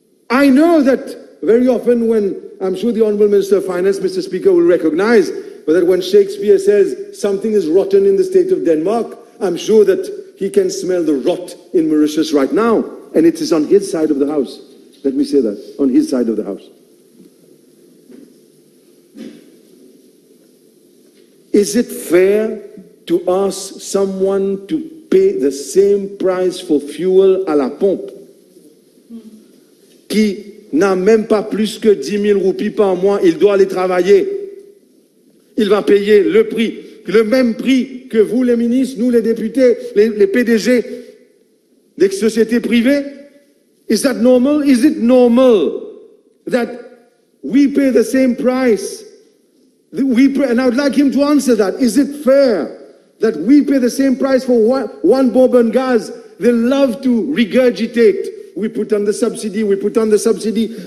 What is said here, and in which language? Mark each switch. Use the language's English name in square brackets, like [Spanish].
[English] I know that very often when, I'm sure the Honourable Minister of Finance, Mr. Speaker, will recognize that when Shakespeare says something is rotten in the state of Denmark, I'm sure that he can smell the rot in Mauritius right now. And it is on his side of the house. Let me say that, on his side of the house. Is it fair to ask someone to pay the same price for fuel [French] à la pompe qui n'a même pas plus que 10 000 roupies par mois, il doit aller travailler. Il va payer le prix le même prix que vous, les ministres, nous, les députés, les PDG des sociétés privées? [English] Is that normal? Is it normal that we pay the same price? And I would like him to answer that. Is it fair that we pay the same price for one bourbon gas? They love to regurgitate. We put on the subsidy.